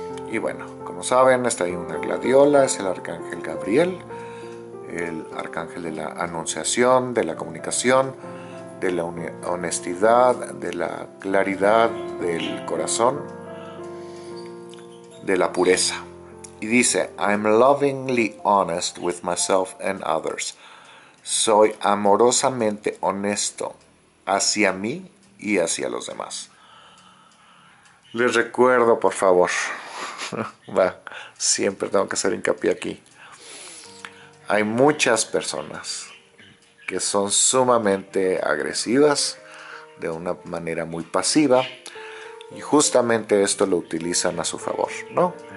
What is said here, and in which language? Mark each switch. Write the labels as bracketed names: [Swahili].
[Spanish] Y bueno, como saben, está ahí una gladiola, es el arcángel Gabriel, el arcángel de la anunciación, de la comunicación, de la honestidad, de la claridad del corazón, de la pureza. Y dice: [English] I'm lovingly honest with myself and others. [Spanish] Soy amorosamente honesto hacia mí y hacia los demás. Les recuerdo, por favor. Va, siempre tengo que hacer hincapié aquí. Hay muchas personas que son sumamente agresivas, de una manera muy pasiva, y justamente esto lo utilizan a su favor, ¿no?